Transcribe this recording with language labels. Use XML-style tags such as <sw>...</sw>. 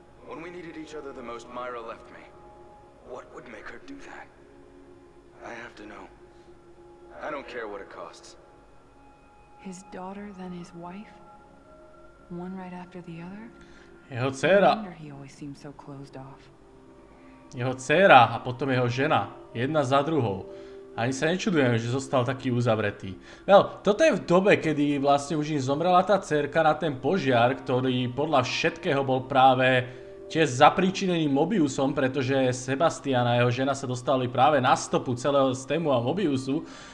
<en>When we needed each other the most, Myra left me. What would make her do that? I have to know. I don't care what it costs. His daughter, then his wife? One right after the other?</en> <sk>Jeho dcera.</sk> <en>He always seemed so closed off.</en> <sk>Jeho dcera a potom jeho žena. Jedna za druhou. Ani sa nečudujem, že zostal taký uzavretý. Veľ, toto je v dobe, kedy vlastne už im zomrela tá dcerka na ten požiar, ktorý podľa všetkého bol práve tiež zapríčinený Mobiusom, pretože Sebastian a jeho žena sa dostali práve na stopu celého stému a Mobiusu.</sk>